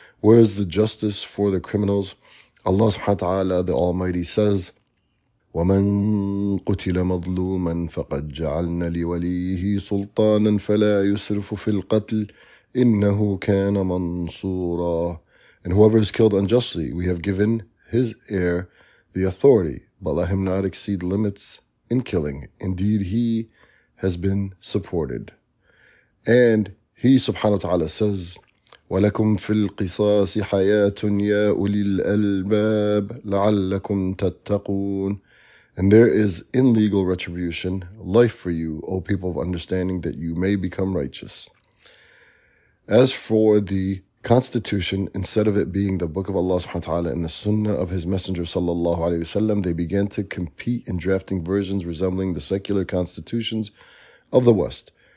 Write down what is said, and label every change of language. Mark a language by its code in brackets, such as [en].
[en] Where is the justice for the criminals? Allah subhanahu wa ta'ala, the Almighty, says, [ar] وَمَنْ قُتِلَ مَظْلُومًا فَقَدْ جَعَلْنَا لِوَلِيهِ سُلْطَانًا فَلَا يُسْرِفُ فِي الْقَتْلِ إِنَّهُ كَانَ مَنْصُورًا. [en] And whoever is killed unjustly, we have given his heir the authority, but let him not exceed limits in killing. Indeed, he has been supported. And he, subhanahu wa ta'ala, says, [ar] وَلَكُمْ فِي الْقِصَاصِ حَيَاةٌ يَا أُولِي الْأَلْبَابِ لَعَلَّكُمْ تَتَّقُونَ. [en] And there is in legal retribution life for you, O people of understanding, that you may become righteous. As for the Constitution, instead of it being the Book of Allah subhanahu wa ta'ala and the Sunnah of His Messenger sallallahu alayhi wa sallam, they began to compete in drafting versions resembling the secular constitutions of the West.